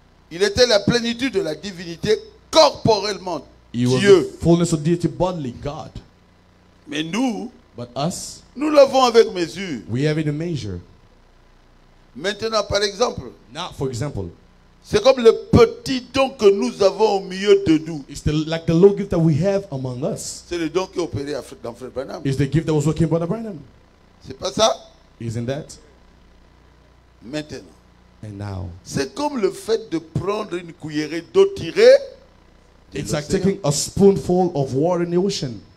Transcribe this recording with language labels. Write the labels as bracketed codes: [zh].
[fr] Il était la plénitude de la divinité corporellement. [en] He [fr] Dieu. [en] Was the fullness of deity bodily, God. [fr] Mais nous. [en] But us. [fr] Nous l'avons avec mesure. [en] We have it in measure. [fr] Maintenant, par exemple. [en] Now, for example. [fr] C'est comme le petit don que nous avons au milieu de nous. [en] It's the, like the little gift that we have among us. [fr] C'est le don qui opérait dans Frère Branham. [en] It's the gift that was working by Brother Branham. [fr] C'est pas ça? [en] Isn't that? [fr] Maintenant. [en] And now. [fr] C'est comme le fait de prendre une cuillerée d'eau tirée. [en] De it's like taking a spoonful of water in the ocean.